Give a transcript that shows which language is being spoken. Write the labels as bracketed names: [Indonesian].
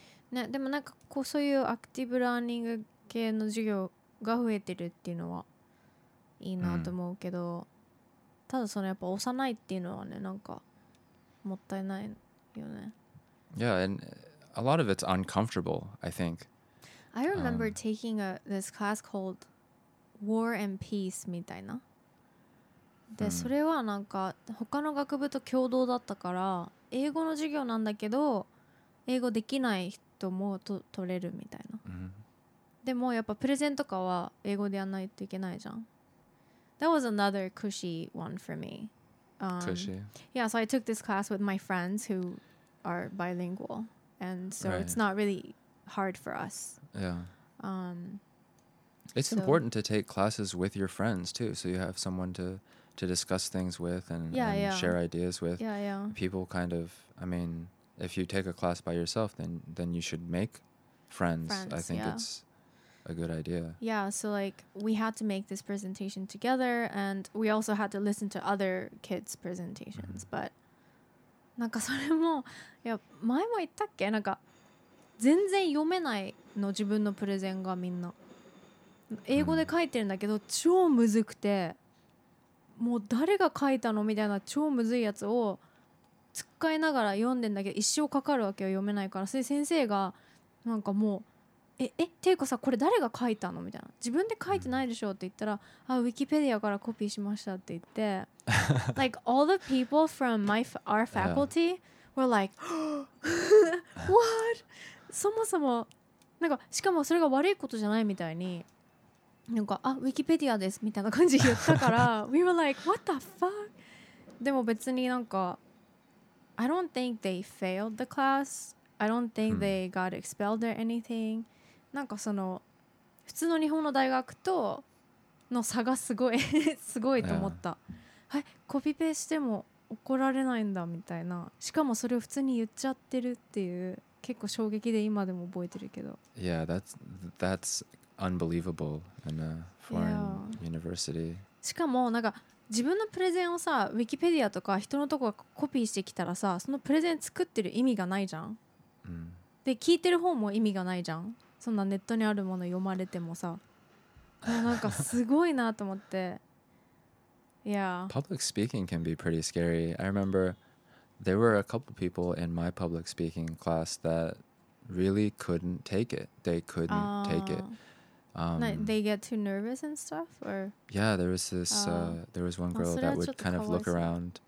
[Japanese] ね、でもなんかこうそういうアクティブラーニング系の授業が増えてるっていうのは。いいなと思うけど、ただそのやっぱ幼いっていうのはね、なんかもったいないよね。 [English] Yeah, and a lot of it's uncomfortable, I think. I remember taking this class called War and Peace [Japanese] みたいな。で、それはなんか他の学部と共同だったから、英語の授業なんだけど、英語できない人も取れるみたいな。でもやっぱプレゼンとかは英語でやんないといけないじゃん。 [English] That was another cushy one for me. Cushy. Yeah, so I took this class with my friends who are bilingual. And so right. it's not really hard for us. Yeah. It's important to take classes with your friends too. So you have someone to discuss things with and share ideas with. Yeah, yeah. People kind of, I mean, if you take a class by yourself, then you should make friends. I think it's a good idea. Yeah, so like we had to make this presentation together and we also had to listen to other kids' presentations. Mm-hmm. But [Japanese] なんかそれも、いや、前も言ったっけ？なんか全然読めないの自分のプレゼンがみんな。英語で書いてるんだけど、mm-hmm. 超むずくて、もう誰が書いたのみたいな超むずいやつをつっかえながら読んでんだけど、一生かかるわけよ、読めないから。それで先生がなんかもう、え、ていうかさ、これ誰が書いたのみたいな。自分で書いてないでしょって言ったら、あ、ウィキペディアからコピーしましたって言って。 [English] like, all the people from our faculty were like, what? [Japanese] そもそも、なんか、しかもそれが悪いことじゃないみたいに、なんか、あ、ウィキペディアですみたいな感じで言ったから、 [English] we were like, what the fuck? [Japanese] でも別になんか、 [English] I don't think they failed the class. I don't think they got expelled or anything. [Japanese] なんかその普通の日本の大学との差がすごいすごいと思った、yeah. はい、コピペしても怒られないんだみたいな、しかもそれを普通に言っちゃってるっていう、結構衝撃で今でも覚えてるけど。 [English] Yeah, that's unbelievable in a foreign、yeah. university. [Japanese] しかもなんか自分のプレゼンをさ、ウィキペディアとか人のとこがコピーしてきたらさ、そのプレゼン作ってる意味がないじゃん、 mm. で聞いてる方も意味がないじゃん、そんなネットにあるもの読まれてもさ、もうなんかすごいなと思って。 [English] Yeah. Public speaking can be pretty scary. I remember there were a couple people in my public speaking class that really couldn't take it. They couldn't take it. They get too nervous and stuff? Or? Yeah, there was this, there was one girl that would kind of look around.